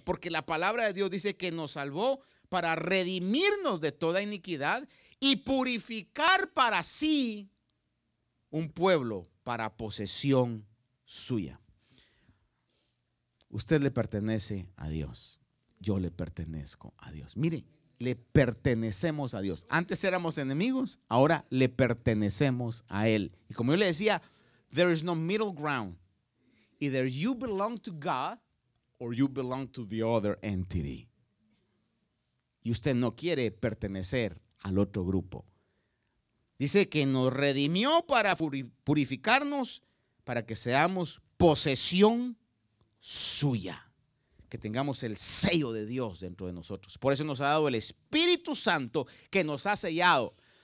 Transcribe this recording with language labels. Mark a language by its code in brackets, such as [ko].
[es] Porque la palabra de Dios dice que nos salvó para redimirnos de toda iniquidad y purificar para sí un pueblo para posesión suya. Usted le pertenece a Dios. Yo le pertenezco a Dios. Mire, le pertenecemos a Dios. Antes éramos enemigos, ahora le pertenecemos a Él. Y como yo le decía, [en] there is no middle ground. Either you belong to God or you belong to the other entity. [es] Y usted no quiere pertenecer al otro grupo. Dice que nos redimió para purificarnos, para que seamos posesión suya. Que tengamos el sello de Dios dentro de nosotros. Por eso nos ha dado el Espíritu Santo que nos ha sellado.